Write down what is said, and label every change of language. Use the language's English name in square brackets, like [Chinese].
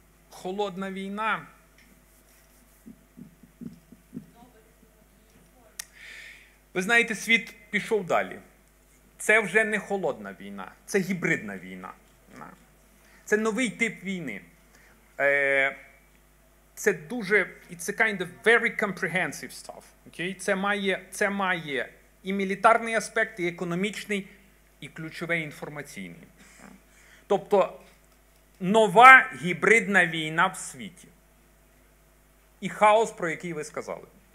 [Ukrainian] Холодна війна. Ви знаєте, світ пішов далі. Це вже не холодна війна, це гібридна війна. Це новий тип війни. Це дуже, [English] it's a kind of very comprehensive stuff. Okay? [Ukrainian] Це має і мілітарний аспект, і економічний, і ключовий інформаційний. Тобто, нова гібридна війна в світі. І хаос, про який ви сказали.